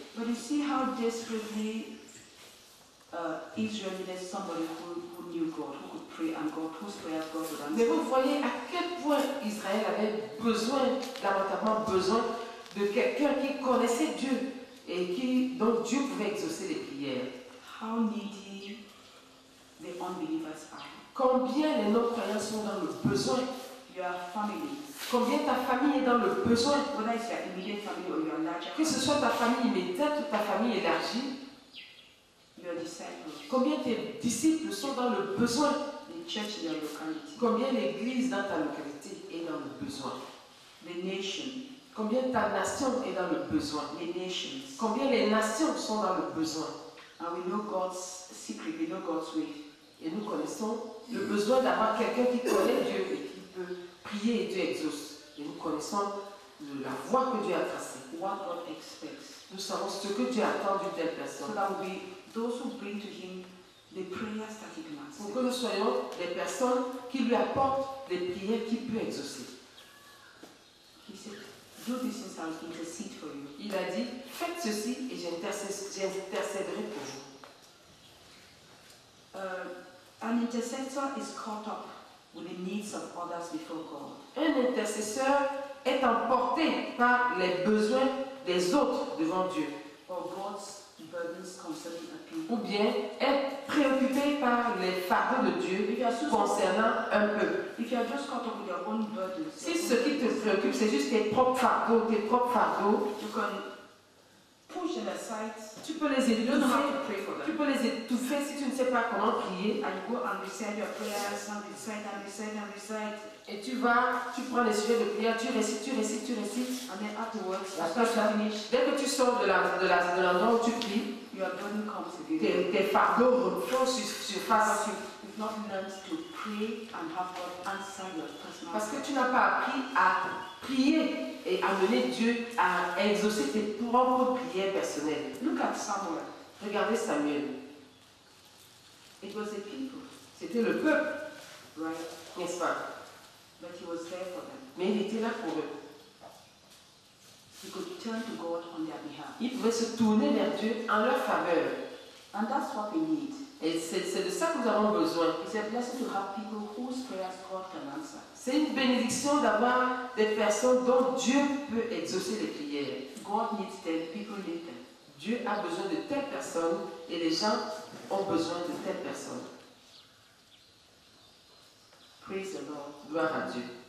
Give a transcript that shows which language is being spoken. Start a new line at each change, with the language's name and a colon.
English: But you see how desperately Israel needed somebody who knew God, who could pray and God, whose prayers God would answer.
French: Mais vous voyez à quel point Israël avait besoin, lamentablement besoin, de quelqu'un qui connaissait Dieu et qui donc Dieu pouvait exaucer les prières.
English: How needy. The unbelievers are.
French: Combien les non-croyants sont dans le besoin?
English: Your family.
French: Combien ta famille est dans le besoin?
English: Whether it's your immediate family or your larger.
French: Que ce soit ta famille immédiate ou ta famille élargie.
English: Your disciples.
French: Combien tes disciples sont dans le besoin?
English: The church in your locality.
French: Combien l'église dans ta localité est dans le besoin?
English: The nation.
French: Combien ta nation est dans le besoin?
English: The nations.
French: Combien les nations sont dans le besoin?
English: And we know God's secret, we know God's way.
French: Et nous connaissons le besoin d'avoir quelqu'un qui connaît Dieu et qui peut prier et Dieu exauce. Et nous connaissons la voie que Dieu a tracée.
English: What God expects.
French: Nous savons ce que Dieu attend d'une telle personne.
English: So that we those who bring to him the prayers that he can answer.
French: Pour que nous soyons les personnes qui lui apportent les prières qu'il peut exaucer.
English: He said, do this and I'll intercede for you.
French: Il a dit, faites ceci et j'intercéderai pour vous.
English: An intercessor is caught up with the needs of others before God.
French: Un intercesseur est emporté par les besoins des autres devant Dieu.
English: Or God's burdens concerning a people.
French: Ou bien est préoccupé par les fardeaux de Dieu concernant un peuple.
English: If you are just caught up with your own burdens,
French: si ce qui te préoccupe, c'est juste tes propres fardeaux,
English: you can push them aside.
French: Tu peux les étouffer.
English: You don't have to pray for them.
French: Tu peux les étouffer si tu ne sais pas comment prier.
English: And you go and recite your prayers and recite and recite and recite.
French: Et tu vas, tu prends les sujets de prière, tu récites, tu récites, tu récites.
English: And then afterwards,
French: la personne, dès que tu sors de l'endroit où tu pries,
English: your burden comes again.
French: Tes fardeaux reposent sur face à toi.
English: You've not learned to pray and have God answer your personal.
French: Parce que tu n'as pas appris à prier et amener Dieu à exaucer tes propres prières personnelles.
English: Look at Samuel.
French: Regardez Samuel.
English: It was the people.
French: C'était le peuple.
English: Right.
French: N'est-ce pas?
English: But he was there for them.
French: Mais il était là pour eux.
English: He could turn to God on their behalf.
French: Il pouvait se tourner vers Dieu en leur faveur.
English: And that's what we need.
French: Et c'est de ça que nous avons besoin.
English: It's a blessing to have people whose prayers God can answer.
French: C'est une bénédiction d'avoir des personnes dont Dieu peut exaucer les prières.
English: God needs them, people need them.
French: Dieu a besoin de telles personnes et les gens ont besoin de telles personnes.
English: Praise the Lord.
French: Gloire à Dieu.